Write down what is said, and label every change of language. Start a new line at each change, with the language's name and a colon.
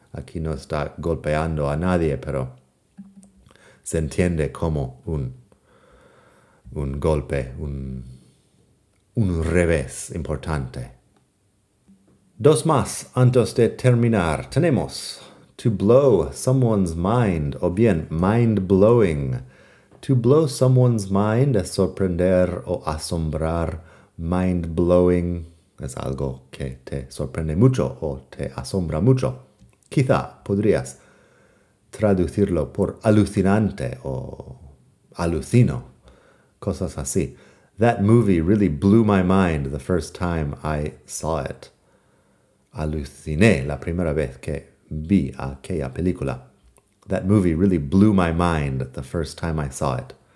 Spanish: Aquí no está golpeando a nadie, pero se entiende como un golpe, un revés importante. Dos más antes de terminar. Tenemos to blow someone's mind, o bien mind-blowing. To blow someone's mind es sorprender o asombrar. Mind-blowing es algo que te sorprende mucho o te asombra mucho. Quizá podrías traducirlo por alucinante o alucino, cosas así.
English: That movie really blew my mind the first time I saw it.
Spanish: Aluciné la primera vez que vi aquella película.
English: That movie really blew my mind the first time I saw it.